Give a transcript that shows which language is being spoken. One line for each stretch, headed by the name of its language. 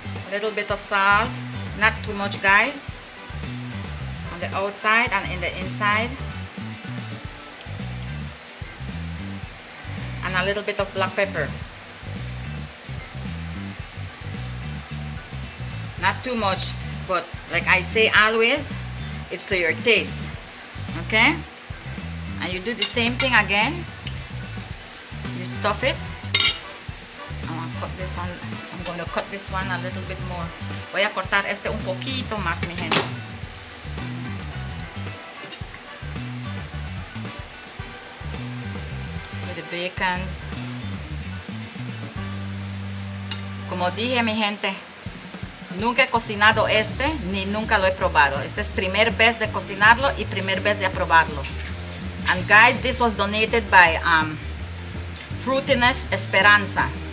English: Little bit of salt, not too much, guys, on the outside and in the inside, and a little bit of black pepper, not too much, but like I say always, it's to your taste. Okay, and you do the same thing again, you stuff it. This one, I'm going to cut this one a little bit more.
Spanish: Voy a cortar este un poquito más, mi gente.
English: With the bacon.
Spanish: Como dije, mi gente, nunca he cocinado este ni nunca lo he probado. Este es primer vez de cocinarlo y primer vez de probarlo.
English: And guys, this was donated by Fruitiness Esperanza.